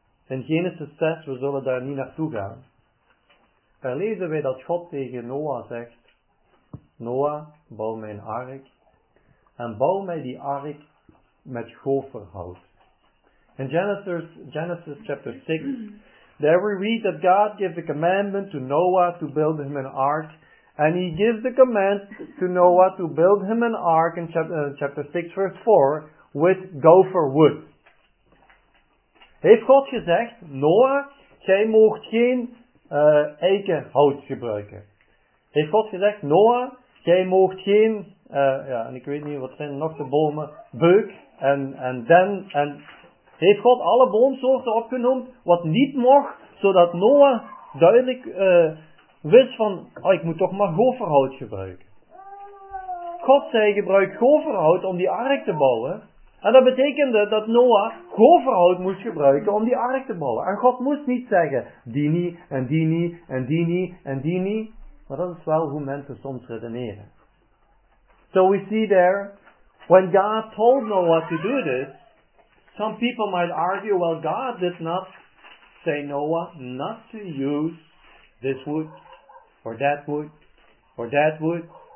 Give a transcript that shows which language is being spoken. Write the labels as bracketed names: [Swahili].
[Dutch] In Genesis 6, we zullen daar niet naartoe gaan. Daar lezen wij dat God tegen Noah zegt, Noah, bouw mij een ark. En bouw mij die ark met goferhout. [English] In Genesis chapter 6, there we read that God gives the commandment to Noah to build him an ark. And he gives the command to Noah to build him an ark in chapter 6 verse 4 with gopher wood. [Dutch] Heeft God gezegd, Noah, jij moogt geen eikenhout gebruiken. Heeft God gezegd, Noah, jij moogt geen, en ik weet niet wat zijn nog de bomen, beuk en den. En heeft God alle boomsoorten opgenoemd wat niet mocht, zodat Noah duidelijk wist van, oh, ik moet toch maar goferhout gebruiken. God zei, gebruik goferhout om die ark te bouwen. En dat betekende dat Noah goferhout moest gebruiken om die ark te bouwen. En God moest niet zeggen, die niet, en die niet, en die niet, en die niet. Maar dat is wel hoe mensen soms redeneren. [English] So we see there, when God told Noah to do this, some people might argue, well, God did not say Noah not to use this wood, or that wood, or that wood.